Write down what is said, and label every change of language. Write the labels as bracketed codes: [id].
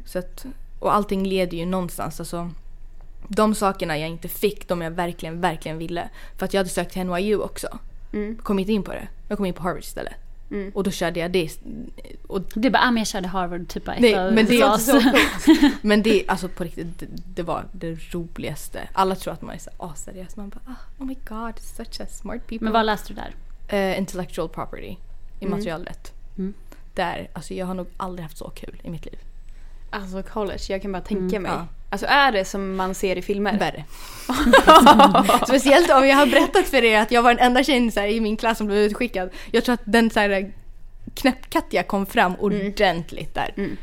[sv] Så att, och allting leder ju någonstans. Alltså, de sakerna jag inte fick, de jag verkligen, verkligen ville. För att jag hade sökt till NYU också. Kom inte in på det. Jag kom in på Harvard istället. Och då körde jag det. Och du bara, jag körde Harvard typ. Nej, men det är så. Men det, alltså på riktigt, det var det roligaste. Alla tror att man är så aseriös. Man bara, [en] oh my god, such a smart people. [sv] Men vad läste du där? [en] Intellectual property, immaterialrätt. [sv] Där, alltså jag har nog aldrig haft så kul i mitt liv. Alltså college, jag kan bara tänka mig. Alltså är det som man ser i filmer? Värre. Speciellt om jag har berättat för er att jag var den enda tjejen så här, i min klass som blev utskickad. Jag tror att den så här, knäppkattiga kom fram ordentligt där.